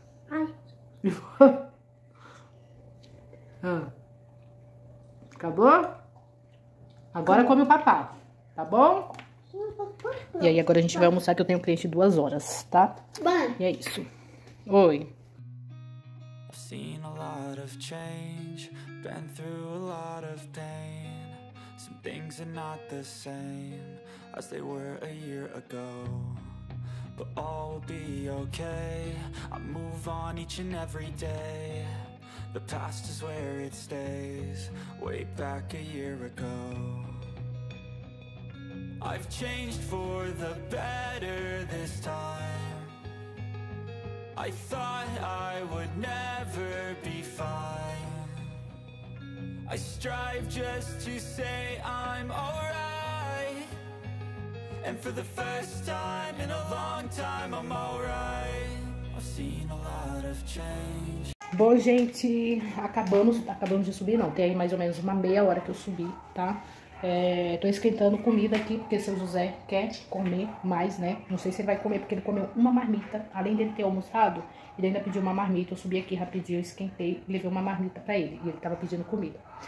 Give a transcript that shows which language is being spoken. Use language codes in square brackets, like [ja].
[pt] Ai. Acabou? Agora come o papá, tá bom? E aí agora a gente vai almoçar, que eu tenho cliente 2 horas, tá? E é isso. Oi. [en] I've seen a lot of change, been through a lot of pain. Some things are not the same as they were a year ago, but all will be okay. I move on each and every day. The past is where it stays, way back a year ago. I've changed for the better this time. I thought I would never be fine. I strive just to say I'm alright. And for the first time in a long time, I'm alright. I've seen a lot of change. [pt] Bom, gente, acabamos de subir, não. Tem aí mais ou menos uma meia hora que eu subi, tá? Tô esquentando comida aqui, porque seu José quer comer mais, né? Não sei se ele vai comer, porque ele comeu uma marmita. Além dele ter almoçado, ele ainda pediu uma marmita. Eu subi aqui rapidinho, esquentei, levei uma marmita pra ele. E ele tava pedindo comida.